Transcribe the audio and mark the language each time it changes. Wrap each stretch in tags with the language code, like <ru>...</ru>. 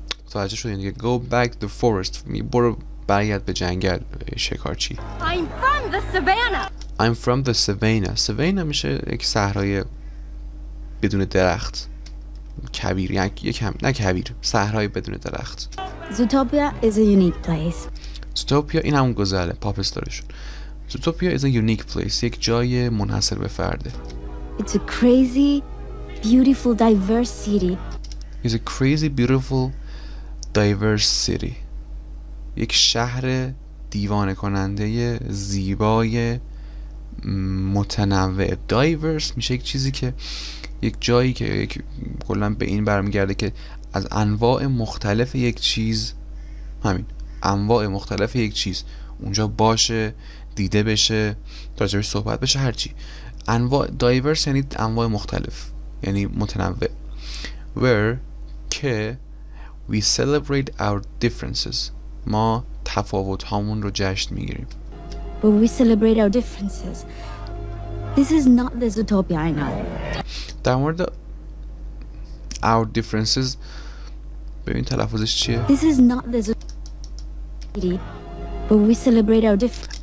<fa>متوجه شدین دیگه؟</fa> <en>go back to the forest،</en> <fa>برو برگرد به جنگل شکارچی.</fa> <en>I'm from the savannah. I'm from the savannah.</en> <fa>savannah میشه یک صحرای بدون درخت، کبیر، یعنی یکم نه کبیر، صحرای بدون درخت.</fa> <en>Zootopia is a unique place.</en> <fa>زوتوپیا، این همون گزله پاپ استارشون. زوتوپیا</fa> <en>is a unique place،</en> <fa>یک جای منحصر به فرده.</fa> <en>It's a crazy beautiful diverse city. It's a crazy beautiful diverse city.</en> <fa>یک شهر دیوانه کننده زیبای متنوع. diverse میشه یک چیزی که، یک جایی که، یک کلا به این برمیگرده که از انواع مختلف یک چیز، همین انواع مختلف یک چیز اونجا باشه، دیده بشه، راجبش صحبت بشه، هرچی. انواع دایورس یعنی انواع مختلف، یعنی متنوع. where که</fa> <en>we celebrate our differences،</en> <fa>ما تفاوت هامون رو جشن میگیریم.</fa> <en>but we celebrate our differences This is not the Zootopia I know.</en> <fa>در مورد</fa> <en>our differences</en> <fa>ببین تلفظش چیه.</fa> <en>This is not the Zootopia, but we celebrate our differences.</en>